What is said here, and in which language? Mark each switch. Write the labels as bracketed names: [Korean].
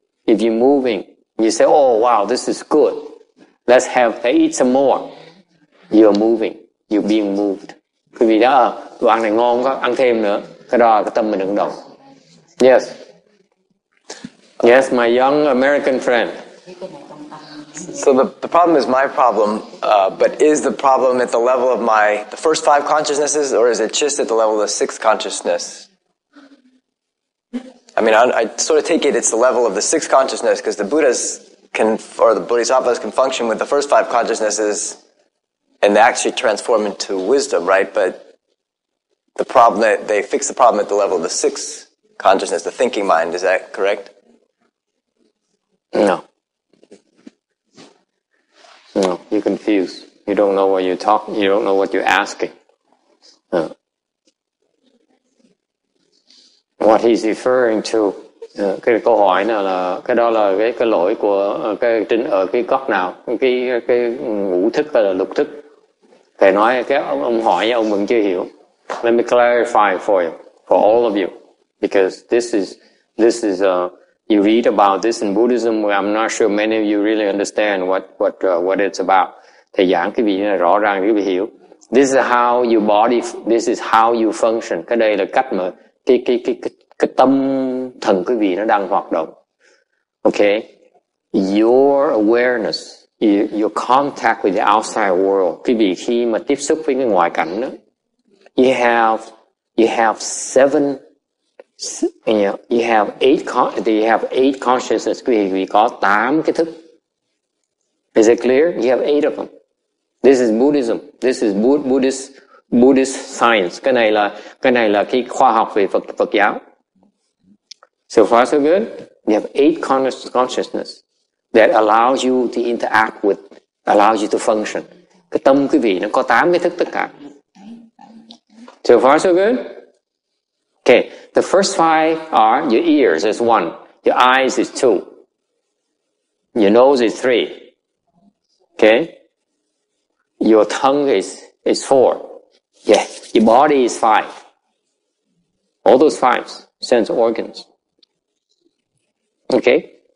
[English] If you're moving, you say, oh, wow, this is good. Let's have, let's eat some more. You're moving. You're being moved. [Vietnamese] Quý vị đã, đồ ăn này ngon quá, ăn thêm nữa. Cái đó là cái tâm mình ứng động. [English] Yes. Yes, my young American friend. So the problem is my problem, but is the problem at the level of the first five consciousnesses, or is it just at the level of the sixth consciousness? I mean, I sort of take it, it's the level of the sixth consciousness, because the Buddhas can, or the Bodhisattvas can function with the first five consciousnesses, and they actually transform into wisdom, right? But the problem, they fix the problem at the level of the sixth consciousness, the thinking mind, is that correct? No. No, you're confused. You don't know what you're talking, you don't know what you're asking. No. What he's referring to, [Vietnamese] cái câu hỏi này là cái đó là cái lỗi của cái trên ở cái góc nào, cái ngũ thức hay là lục thức. Thầy nói cái ông hỏi ông vẫn chưa hiểu. [English] Let me clarify for you, for all of you, because this is you read about this in Buddhism, where I'm not sure many of you really understand what it's about. [Vietnamese] Thầy giảng cái vị này rõ ràng cái vị hiểu. [English] This is how your body, this is how you function. [Vietnamese] Cái đây là cách mà cái tâm thần quý vị nó đang hoạt động. [English] Okay, your awareness, your contact with the outside world, [Vietnamese] quý vị khi mà tiếp xúc với cái ngoại cảnh đó, [English] you have eight consciousness. [Vietnamese] Quý vị có 8 cái thức. [English] Is it clear? You have 8 of them. This is Buddhism. This is Buddhist science. [Vietnamese] Cái này là cái khoa học về Phật giáo. [English] So far so good. You have 8 consciousness that allows you to interact with, allows you to function. [Vietnamese] Cái tâm quý vị nó có 8 cái thức tất cả. [English] So far so good. Okay, the first 5 are your ears is 1, your eyes is 2, your nose is 3. Okay, your tongue is 4. Yeah, your body is 5. All those 5 sense organs. Okay?